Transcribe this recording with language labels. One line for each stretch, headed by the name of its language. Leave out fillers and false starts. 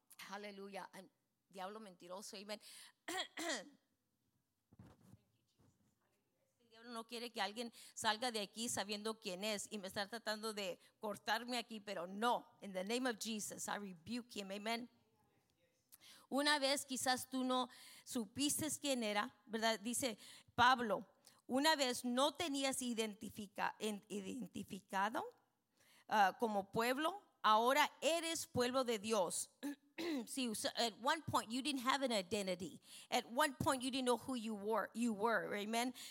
Spanish: Aleluya, diablo mentiroso, amen. El diablo no quiere que alguien salga de aquí sabiendo quién es y me está tratando de cortarme aquí, pero no.
English: In the name of Jesus, I rebuke him, amen.
Spanish: Una vez quizás tú no supiste quién era, ¿verdad? Dice Pablo, una vez no tenías identificado como pueblo, ahora eres pueblo de Dios.
English: See, so at one point you didn't have an identity. At one point you didn't know who you were, amen?